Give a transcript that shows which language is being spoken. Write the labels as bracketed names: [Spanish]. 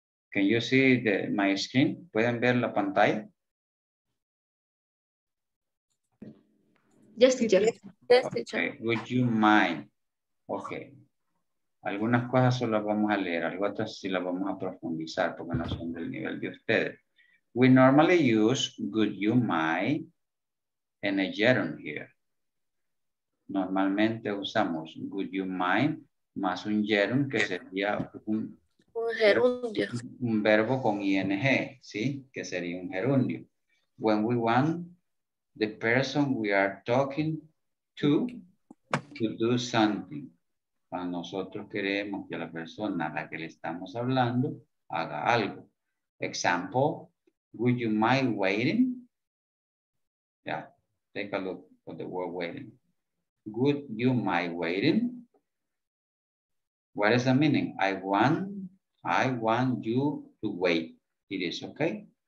[English] Can you see my screen? [Spanish] ¿Pueden ver la pantalla? [English] Yes, teacher. Okay. Would you mind? Okay. [Spanish] Algunas cosas solo las vamos a leer, algunas otras sí las vamos a profundizar porque no son del nivel de ustedes. [English] We normally use would you mind and a gerund here. [Spanish] Normalmente usamos [English] would you mind [Spanish] más un gerund que sería un gerundio. Un verbo con ing, ¿sí? Que sería un gerundio. [English] When we want the person we are talking to do something. [Spanish] Cuando nosotros queremos que la persona a la que le estamos hablando haga algo. [English] Example, would you mind waiting? Yeah, take a look at the word waiting. Would you mind waiting? What is the meaning? I want you to wait. It is okay.